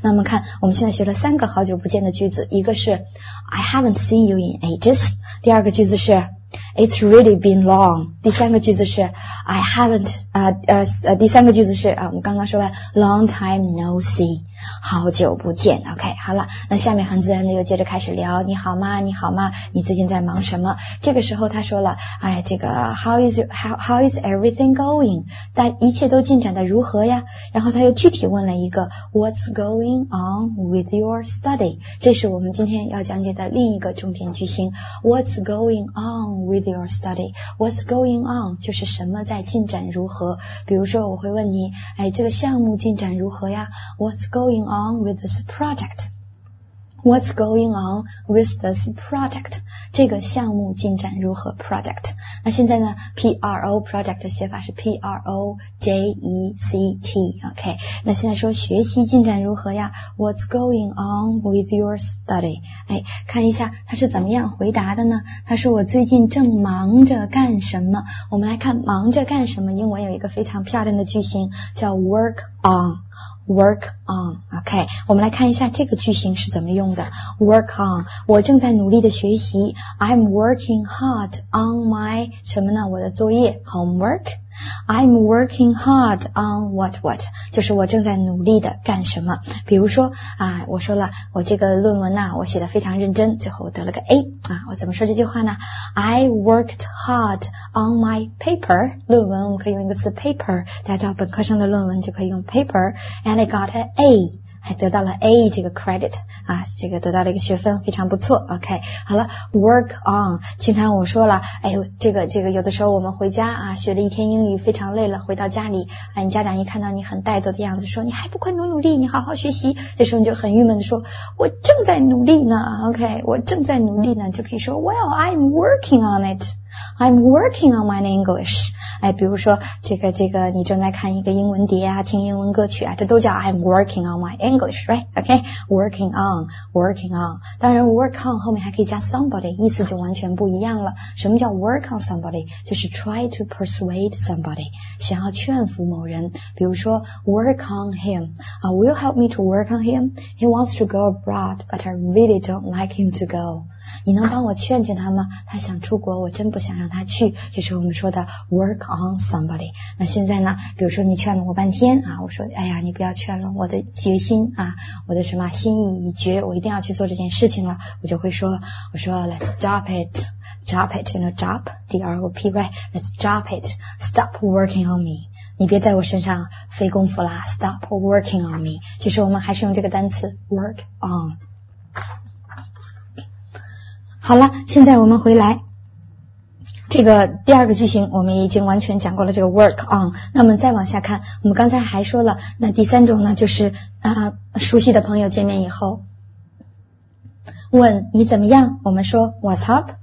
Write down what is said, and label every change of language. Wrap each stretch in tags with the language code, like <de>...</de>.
<zh>那我们看，我们现在学了三个好久不见的句子，一个是</zh> <en>I haven't seen you in ages，</en> <zh>第二个句子是</zh> <en>It's really been long，</en> <zh>第三个句子是 I haven't 第三个句子是啊，我们刚刚说完</zh> <en>long time no see，</en> <zh>好久不见。 OK， 好了，那下面很自然的又接着开始聊，你好吗？你好吗？你最近在忙什么？这个时候他说了，哎，这个</zh> <en>how is everything going？</en> <zh>但一切都进展得如何呀？然后他又具体问了一个</zh> <en>What's going on with your study？</en> <zh>这是我们今天要讲解的另一个重点句型。</zh> <en>What's going on with your study？</en> <zh>What's going on 就是什么在进展如何？比如说我会问你，哎，这个项目进展如何呀？</zh> <en>What's going on with this project？ What's going on with this project?</en> <zh>这个项目进展如何 ?project. 那现在呢 ?PRO project 的写法是 PROJECT.</zh> <en>OK.</en> <zh>那现在说学习进展如何呀 ?</zh> <en>What's going on with your study?</en> <zh>哎，看一下他是怎么样回答的呢？他说我最近正忙着干什么。我们来看忙着干什么，英文有一个非常漂亮的句型叫 work on。</zh> <en>Work on, OK.</en> <zh>我们来看一下这个句型是怎么用的。Work on, 我正在努力的学习。</zh> <en>I'm working hard on my,</en> <zh>什么呢？我的作业 ,homework.</zh> <en>I'm working hard on what what,</en> <zh>就是我正在努力的干什么。比如说啊，我说了我这个论文呢，我写得非常认真，最后我得了个 A, 啊，我怎么说这句话呢？</zh> <en>I worked hard on my paper,</en> <zh>论文我们可以用一个词</zh> <en>paper,</en> <zh>大家知道本科生的论文就可以用</zh> <en>paper, and I got an A.</en> <zh>还得到了 A 这个 credit 啊，这个得到了一个学分，非常不错。 OK， 好了 ，work on。经常我说了，哎，这个有的时候我们回家啊，学了一天英语，非常累了，回到家里，哎，你家长一看到你很怠惰的样子，说你还不快努努力，你好好学习。这时候你就很郁闷的说，我正在努力呢。 OK， 我正在努力呢，就可以说 ，</zh> <en>Well， I'm working on it。 I'm working on my English.</en> <zh>哎，比如说这个你正在看一个英文碟啊，听英文歌曲啊，这都叫</zh> <en>I'm working on my English, right? OK? Working on, working on.</en> <zh>当然 work on 后面还可以加 somebody, 意思就完全不一样了。什么叫 work on somebody?</zh> <en>就是 try to persuade somebody,</en> <zh>想要劝服某人。比如说</zh> <en>work on him,will you help me to work on him? He wants to go abroad, but I really don't like him to go.</en> <zh>你能帮我劝劝他吗？他想出国，我真不想让他去。就是我们说的 work on somebody。那现在呢？比如说你劝了我半天啊，我说哎呀，你不要劝了，我的决心啊，我的什么心意已决，我一定要去做这件事情了。我就会说，我说</zh> <en>let's drop it, drop it, you know, drop,</en> <zh>D-R-O-P, right?</zh> <en>Let's drop it, stop working on me.</en> <zh>你别在我身上费功夫啦 ，</zh> <en>stop working on me。</en> <zh>其实我们还是用这个单词 work on。好了，现在我们回来。这个第二个句型我们已经完全讲过了，这个 work on。那我们再往下看，我们刚才还说了，那第三种呢，就是熟悉的朋友见面以后问你怎么样，我们说</zh> <en>what's up?</en>